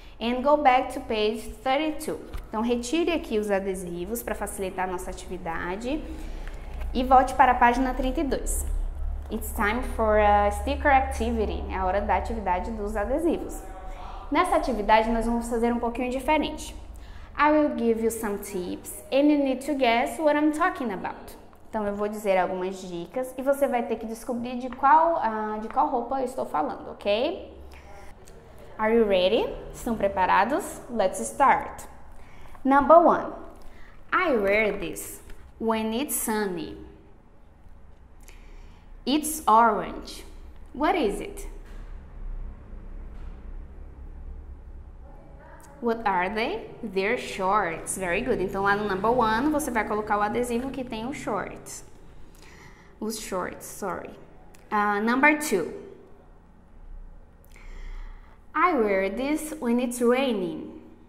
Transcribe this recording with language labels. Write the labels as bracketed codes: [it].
[en] And go back to page 32. [pt] Então, retire aqui os adesivos para facilitar a nossa atividade. E volte para a página 32. [en] It's time for a sticker activity. [pt] É a hora da atividade dos adesivos. Nessa atividade, nós vamos fazer um pouquinho diferente. [en] I will give you some tips and you need to guess what I'm talking about. [pt] Então, eu vou dizer algumas dicas e você vai ter que descobrir de qual roupa eu estou falando, ok? Ok. [en] Are you ready? [pt] Estão preparados? [en] Let's start. Number one. I wear this when it's sunny. It's orange. What is it? What are they? They're shorts. Very good. [pt] Então, lá no number one, você vai colocar o adesivo que tem os shorts. Os shorts, sorry. [en] Number two. I wear this when it's raining.